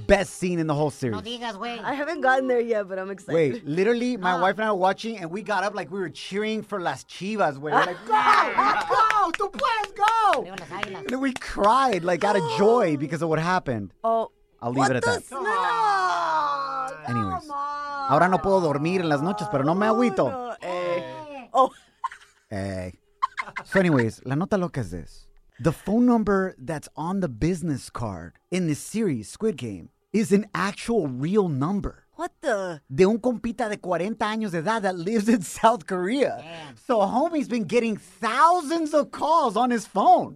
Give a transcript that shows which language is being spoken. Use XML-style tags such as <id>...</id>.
<en>Best scene in the whole series.</en> <es>No digas, wait.</es> <en>I haven't gotten there yet, but I'm excited. Wait, literally, my wife and I were watching, and we got up like we were cheering for Las Chivas. We were like, go,</en> <es>tu puedes,</es> <en>go. And then we cried like out of joy because of what happened. Oh, I'll leave it at that. No.</en> <es>Anyways, ahora no puedo dormir en las noches, pero no me agüito.</es> <en>So, anyways,</en> <es>la nota loca es this.</es> <en>The phone number that's on the business card in this series, Squid Game, is an actual real number. What the?</en> <es>De un compita de 40 años de edad</es> <en>that lives in South Korea. Damn. So homie's been getting thousands of calls on his phone.</en>